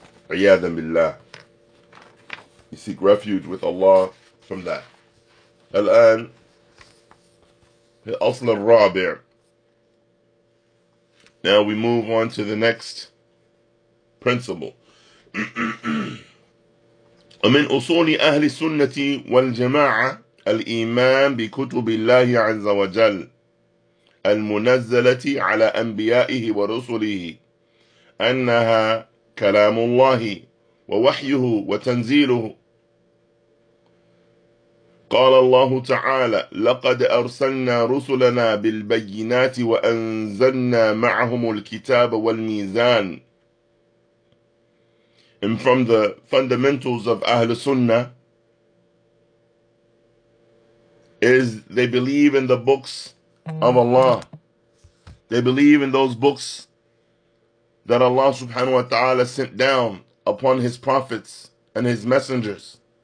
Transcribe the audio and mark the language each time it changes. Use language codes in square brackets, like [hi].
[ar] Iyadan billah. [en] You seek refuge with Allah from that. [ar] Al-an, al-asl al-rabi'. [en] Now we move on to the next principle. [ar] ومن أصول أهل السنة والجماعة الإيمان بكتب الله عز وجل المنزلة على أنبيائه ورسله أنها كلام الله ووحيه وتنزيله. قال الله تعالى لقد أرسلنا رسلنا بالبينات وأنزلنا معهم الكتاب والميزان. [en] And from the fundamentals of Ahl Sunnah is they believe in the books of Allah. They believe in those books that Allah subhanahu wa ta'ala sent down upon his prophets and his messengers.